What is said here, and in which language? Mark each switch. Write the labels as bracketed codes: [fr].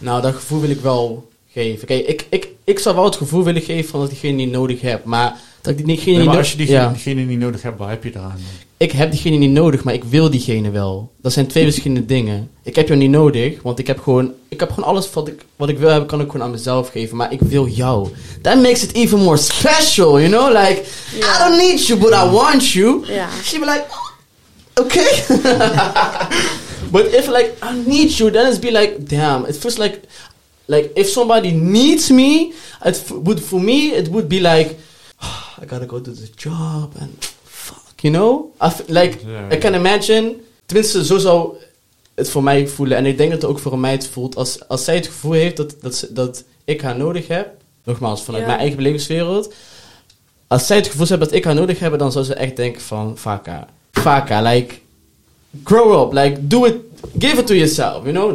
[nl] Nou, dat gevoel wil ik wel geven. Kijk, ik zou wel het gevoel willen geven van dat ik diegene niet nodig heb, maar... Als je diegene niet nodig hebt, wat heb je eraan? Ik heb diegene niet nodig, maar ik wil diegene wel. Dat zijn twee verschillende dingen. Ik heb jou niet nodig, want ik heb gewoon alles wat ik wil hebben, kan ik gewoon aan mezelf geven. Maar ik wil jou. [en] That makes it even more special, you know? Like, yeah. I don't need you, but I want you. Yeah. She be like, oh, okay. But if like, I need you, then it's be like, damn, it feels like, if somebody needs me, it would be like, I gotta go to the job and fuck, you know? I can imagine, [nl] tenminste zo zou het voor mij voelen. En ik denk dat het ook voor een meid voelt. Als zij het gevoel heeft dat ik haar nodig heb, nogmaals vanuit mijn eigen belevingswereld. Als zij het gevoel heeft dat ik haar nodig heb, dan zou ze echt denken van, faka, [en] like, grow up, like, do it, give it to yourself, you know?